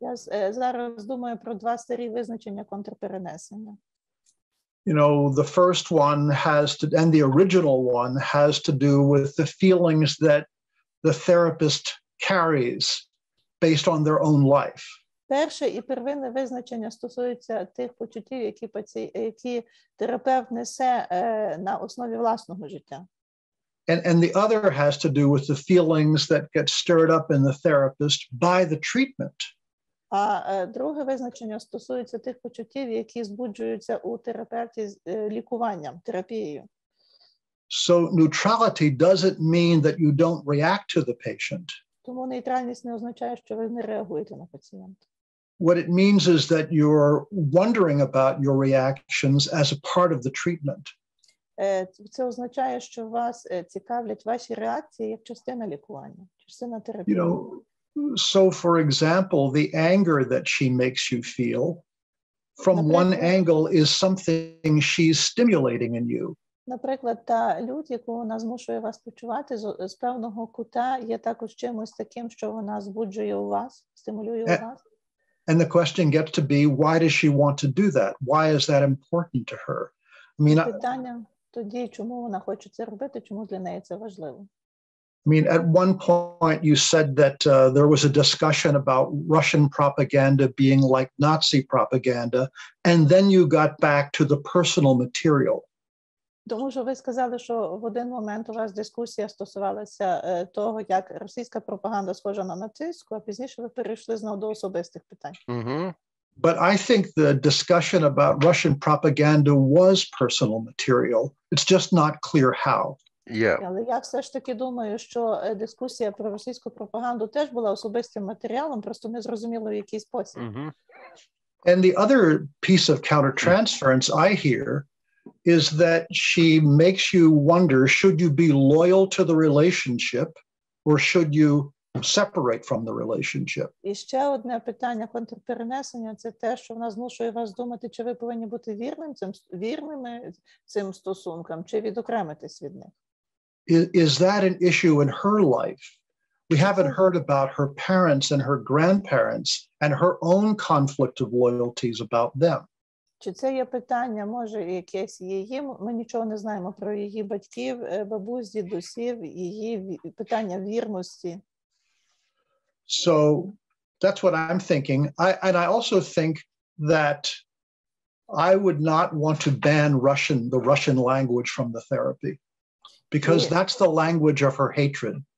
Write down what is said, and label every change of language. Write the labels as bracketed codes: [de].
[uk] Я зараз думаю про два старі визначення контрперенесення. [en] You know, the first one has to, and the original one has to do with the feelings that the therapist carries based on their own life. [uk] Перше і первинне визначення стосується тих почуттів, які терапевт несе на основі власного життя. [en] And the other has to do with the feelings that get stirred up in the therapist by the treatment. [uk] А друге визначення стосується тих почуттів, які збуджуються у терапевті з лікуванням, терапією. [en] So neutrality doesn't mean that you don't react to the patient. [uk] Тому нейтральність не означає, що ви не реагуєте на пацієнта. [en] What it means is that you're wondering about your reactions as a part of the treatment. [uk] Це означає, що вас цікавлять ваші реакції як частина лікування, частина терапії. [en] You know, so, for example, the anger that she makes you feel from one angle is something she's stimulating in you. [uk] Наприклад, та лють, яку вона змушує вас почувати з певного кута, є також чимось таким, що вона збуджує у вас, стимулює у вас. [en] And the question gets to be, why does she want to do that? Why is that important to her? I mean, [uk] питання тоді, чому вона хоче це робити, чому для неї це важливо? [en] I mean, at one point you said that there was a discussion about Russian propaganda being like Nazi propaganda, and then you got back to the personal material. [uk] Тому що ви сказали, що в один момент у вас дискусія стосувалася того, як російська пропаганда схожа на нацистську, а пізніше ви перейшли знову до особистих питань. Угу. [en] But I think the discussion about Russian propaganda was personal material. It's just not clear how. Yeah. [uk] Я все ж таки думаю, що дискусія про російську пропаганду теж була особистим матеріалом, просто не зрозуміло в який спосіб. [en] And the other piece of countertransference I hear is that she makes you wonder, should you be loyal to the relationship or should you separate from the relationship? [uk] І ще одне питання контрперенесення – це те, що вона змушує вас думати, чи ви повинні бути вірними цим стосункам, чи відокремитись від них. [en] Is that an issue in her life? We haven't heard about her parents and her grandparents and her own conflict of loyalties about them. [uk] Чи це є питання, може, якесь її, ми нічого не знаємо про її батьків, бабусь, дідусів, її питання вірності. [en] So that's what I'm thinking. I also think that I would not want to ban the Russian language from the therapy, because that's the language of her hatred.